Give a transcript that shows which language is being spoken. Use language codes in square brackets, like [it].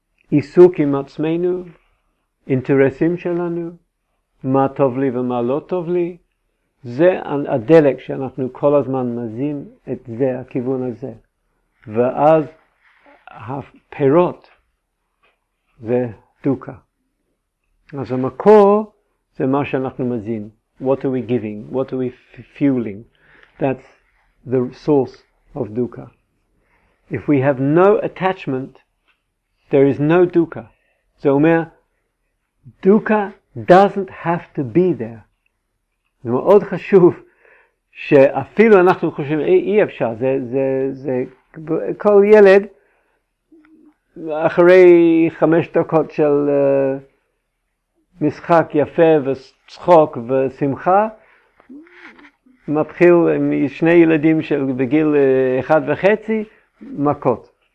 [he] עיסוק עם עצמנו, אינטרסים שלנו, מה טוב לי ומה לא טוב לי, זה הדלק שאנחנו כל הזמן מזין את זה, הכיוון הזה. ואז הפירות זה דוקה. אז המקור זה מה שאנחנו מזין. [en] What are we giving? What are we fueling? That's the source of dukkha. If we have no attachment, there is no dukkha. [he] זה אומר, [en] dukkha doesn't have to be there. [he] זה מאוד חשוב שאפילו אנחנו חושבים, אי אפשר, זה כל ילד, אחרי 5 דקות של משחק יפה וצחוק ושמחה, מתחיל עם 2 ילדים של בגיל 1.5 מכות.